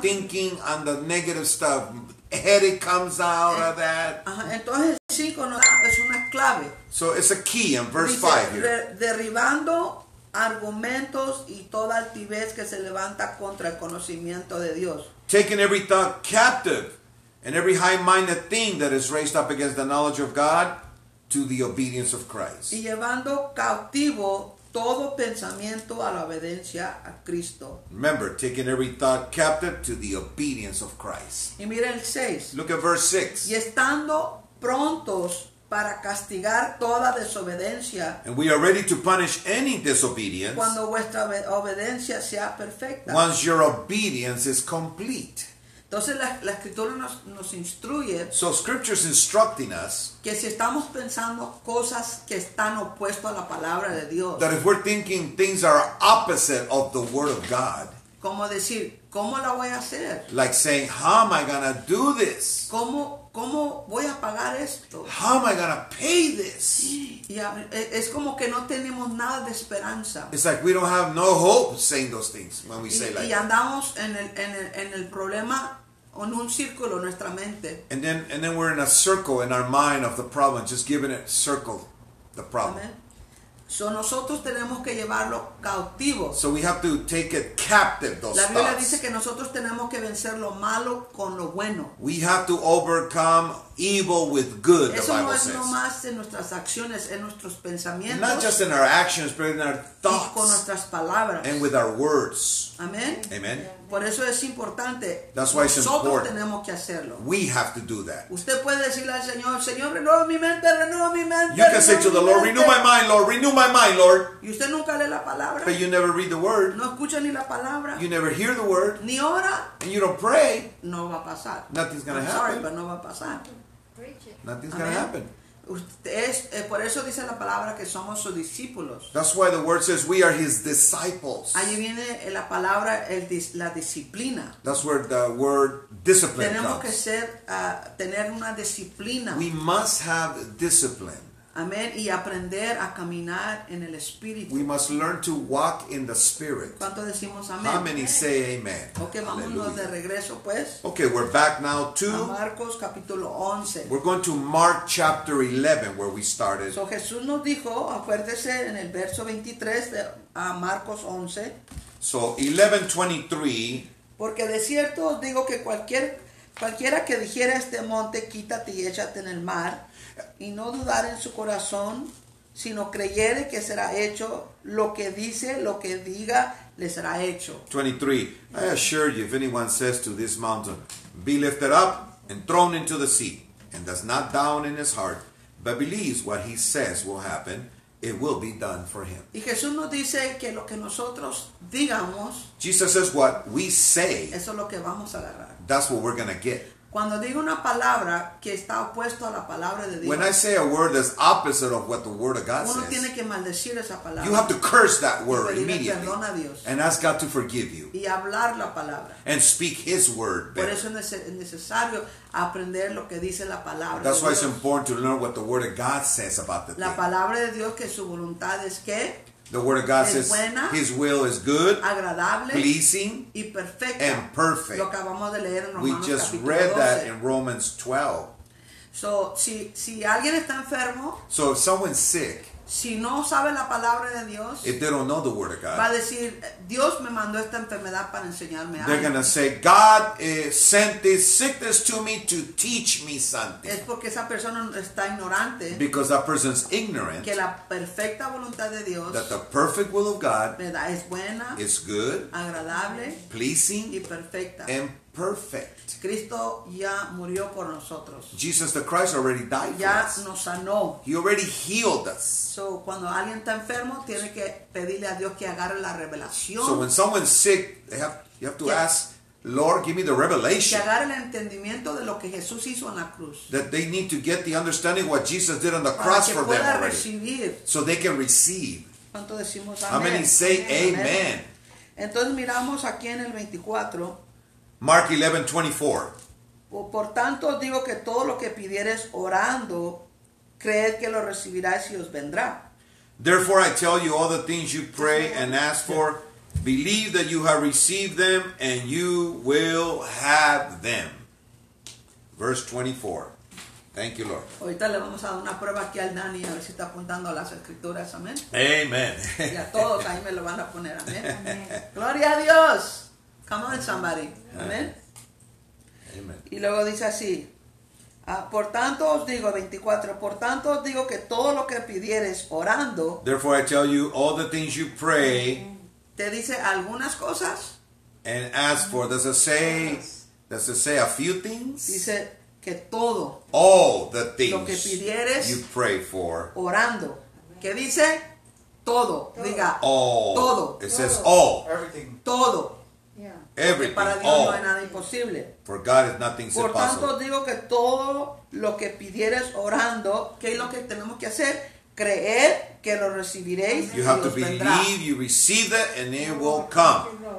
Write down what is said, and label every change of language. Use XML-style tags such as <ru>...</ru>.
<en>Thinking on the negative stuff. Headache comes out of that.</en> <es>Entonces, sí, es una clave.</es> <en>So it's a key in verse 5 here.</en> <es>Derribando argumentos y toda altivez que se levanta contra el conocimiento de Dios.</es> <en>Taking every thought captive. And every high-minded thing that is raised up against the knowledge of God to the obedience of Christ.</en> <es>Y llevando cautivo todo pensamiento a la obediencia a Cristo.</es> <en>Remember, taking every thought captive to the obedience of Christ.</en> <es>Y mira el 6.</es> <en>Look at verse 6.</en> <es>Y estando prontos para castigar toda desobediencia.</es> <en>And we are ready to punish any disobedience.</en> <es>Cuando vuestra obediencia sea perfecta.</es> <en>Once your obedience is complete.</en> <es>Entonces la escritura nos instruye.</es> <en>So scripture's instructing us.</en> <es>Que si estamos pensando cosas que están opuestas a la palabra de Dios.</es> <en>That if we're thinking things are opposite of the word of God.</en> <es>Como decir, ¿cómo la voy a hacer?</es> <en>Like saying, how am I going to do this?</en> <es>¿Cómo voy a pagar esto?</es> <en>How am I going to pay this?</en> <es>Yeah, es como que no tenemos nada de esperanza.</es> <en>It's like we don't have no hope saying those things when we say</en> <es>y,</es> <en>like</en> <es>y andamos that. En el problema en un círculo en nuestra mente.</es> <en>And then we're in a circle in our mind of the problem, just giving it circle the problem.</en> <es>Amen. So nosotros tenemos que llevarlo cautivo.</es> <en>So we have to take it captive, those</en> <es>La Biblia</es> <en>thoughts.</en> <es>Dice que nosotros tenemos que vencer lo malo con lo bueno.</es> <en>We have to overcome evil with good,</en> <es>Eso</es> <en>the Bible</en> <es>no es</es> <en>says.</en> <es>No más en nuestras acciones, en nuestros pensamientos.</es> <en>Not just in our actions, but in our thoughts.</en> <es>Y con nuestras palabras.</es> <en>And with our words. Amen. Amen.</en> <es>Por eso es importante.</es> <en>That's why</en> <es>Nosotros</es> <en>it's important.</en> <es>Tenemos que hacerlo.</es> <en>We have to do that.</en> <es>Usted puede decirle al Señor, Señor, renueva mi mente, renueva mi mente.</es> <en>You can say to the Lord, renew my mind, Lord, renew my mind, Lord.</en> <es>Y usted nunca lee la palabra.</es> <en>But you never read the word.</en> <es>No escucha ni la palabra.</es> <en>You never hear the word.</en> <es>Ni ora.</es> <en>And you don't pray.</en> <es>No va a pasar.</es> <en>Nothing's going to happen. Sorry, but</en> <es>no va a pasar.</es> <en>Nothing's going to happen.</en> <es>Por eso dice la palabra que somos sus discípulos.</es> <en>That's why the word says we are his disciples.</en> <es>Ahí viene la palabra la disciplina.</es> <en>That's where the word discipline</en> <es>tenemos</es> <en>comes.</en> <es>Tenemos que ser tener una disciplina.</es> <en>We must have discipline.</en> <es>Amén. Y aprender a caminar en el Espíritu.</es> <en>We must learn to walk in the Spirit.</en> <es>¿Cuánto decimos amén?</es> <en>How many say amen?</en> <es>Okay, vámonos de regreso pues.</es> <en>Okay, we're back now to</en> <es>Marcos capítulo 11.</es> <en>We're going to Mark chapter 11 where we started.</en> <es>So Jesús nos dijo, acuérdese en el verso 23 de Marcos 11.</es> <en>So 11:23.</en> <es>Porque de cierto os digo que cualquiera que dijera este monte, quítate y échate en el mar. Y no dudar en su corazón, sino creyere que será hecho lo que dice, lo que diga, le será hecho.</es> <en>23. I assure you, if anyone says to this mountain, be lifted up and thrown into the sea, and does not doubt in his heart, but believes what he says will happen, it will be done for him.</en> <es>Y Jesús nos dice que lo que nosotros digamos,</es> <en>Jesus says what we say,</en> <es>eso es lo que vamos a agarrar.</es> <en>That's what we're going to get.</en> <es>Cuando digo una palabra que está opuesto a la palabra de Dios.</es> <en>When I say a word that's opposite of what the word of God</en> <es>uno</es> <en>says.</en> <es>Uno tiene que maldecir esa palabra.</es> <en>You have to curse that word immediately.</en> <es>Perdón a Dios.</es> <en>And ask God to forgive you.</en> <es>Y hablar la palabra.</es> <en>And speak his word better.</en> <es>Por eso es necesario aprender lo que dice la palabra.</es> <en>That's why it's important to learn what the word of God says about the thing.</en> <es>La palabra de Dios que su voluntad es que.</es> <en>The word of God</en> <es>es</es> <en>says</en> <es>buena,</es> <en>his will is good,</en> <es>agradable,</es> <en>pleasing,</en> <es>y perfecta,</es> <en>and perfect.</en> <es>Lo acabamos de leer en Romanos</es> <en>we just read</en> <es>12.</es> <en>That in Romans 12.</en> <es>So, si alguien está enfermo,</es> <en>so if someone's sick,</en> <es>si no sabe la palabra de Dios,</es> <en>if they don't know the word of God,</en> <es>va a decir, Dios me mandó esta enfermedad para enseñarme algo.</es> <en>They're going to say, God sent this sickness to me to teach me something.</en> <es>Es porque esa persona está ignorante.</es> <en>Because that person's ignorant.</en> <es>Que la perfecta voluntad de Dios,</es> <en>that the perfect will of God,</en> <es>¿verdad? Es buena,</es> <en>is good,</en> <es>agradable,</es> <en>pleasing,</en> <es>y perfecta.</es> <en>And perfect.</en> <es>Cristo ya murió por nosotros.</es> <en>Jesus the Christ already died</en> <es>ya</es> <en>for us.</en> <es>Nos sanó.</es> <en>He already healed us.</en> <es>So cuando alguien está enfermo tiene que pedirle a Dios que agarre la revelación.</es> <en>So when someone's sick, you have to ask, Lord, give me the revelation.</en> <es>Que agarre el entendimiento de lo que Jesús hizo en la cruz.</es> <en>That they need to get the understanding of what Jesus did on the cross for them already.</en> <es>Recibir.</es> <en>So they can receive.</en> <es>¿Cuánto decimos</es> <en>amén? How many say amen. Amen?</en> <es>Entonces miramos aquí en el 24.</es> <en>Mark 11:24.</en> <es>Por tanto digo que todo lo que pidieres orando, creed que lo recibirás y os vendrá.</es> <en>Therefore I tell you, all the things you pray and ask for, believe that you have received them and you will have them. Verse 24. Thank you, Lord.</en> <es>Ahorita le vamos a dar una prueba aquí al Dani a ver si está apuntando a las escrituras. Amén.</es> <en>Amen.</en> <es>Y a todos ahí me lo van a poner. Amén. Amén. Gloria a Dios.</es> <en>Come on, somebody.</en> <es>Amen.</es> <en>Amen.</en> <es>Y luego dice así. Por tanto os digo, 24. Por tanto os digo que todo lo que pidieres orando.</es> <en>Therefore I tell you, all the things you pray.</en> <es>Te dice algunas cosas.</es> <en>And ask for, does it say a few things?</en> <es>Dice que todo.</es> <en>All the things.</en> <es>Lo que pidieres.</es> <en>You pray for.</en> <es>Orando. ¿Qué dice? Todo. Todo. Diga.</es> <en>All.</en> <es>Todo.</es> <en>It says all. Everything.</en> <es>Todo.</es> <en>Yeah. Everything,</en> <es>para Dios</es> <en>all.</en> <es>No hay nada imposible.</es> <en>For God is nothing impossible.</en> <es>Por tanto digo que todo lo que pidieres orando, ¿qué es lo que tenemos que hacer? Creer que lo recibiréis.</es> <en>You have to believe, you receive it, and it will come.</en>